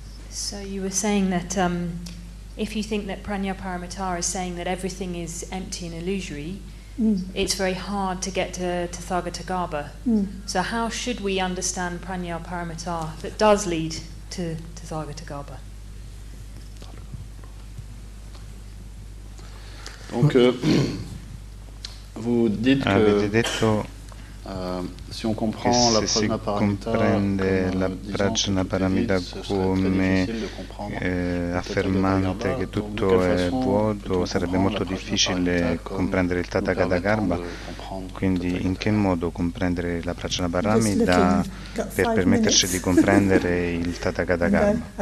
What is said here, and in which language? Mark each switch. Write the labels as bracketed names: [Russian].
[English] So you were saying that if you think that Prajnaparamita is saying that everything is empty and illusory, it's very hard to get to Tathagatagarbha. So how should we understand Prajnaparamita that does lead to Tathagatagarbha? [French] Donc vous dites que si on comprend la [Italian] Prajnaparamita come affermante che tutto è vuoto, sarebbe molto difficile comprendere il Tathagatagarbha. Quindi in che modo comprendere la Prajnaparamita per permetterci di comprendere il Tathagatagarbha?